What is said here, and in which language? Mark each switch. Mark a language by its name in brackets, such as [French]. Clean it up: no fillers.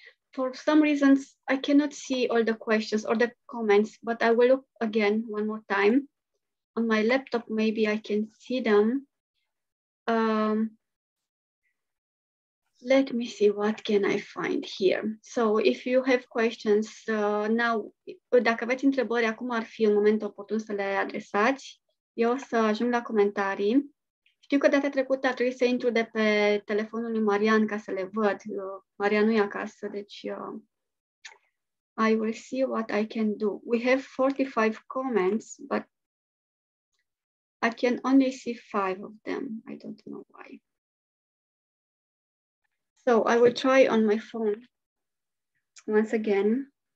[English] For some reasons, I cannot see all the questions or the comments, but I will look again one more time. On my laptop, maybe I can see them. Let me see what can I find here. So if you have questions, now, [Romanian] dacă aveți întrebări, acum ar fi un moment oportun să le adresați. Eu o să ajung la comentarii. Știu că data trecută a trebuit să intru de pe telefonul lui Marian ca să le văd. [English] Marian [Romanian] nu e acasă, deci [English] I will see what I can do. We have 45 comments, but I can only see 5 of them. I don't know why. So I will try on my phone once again.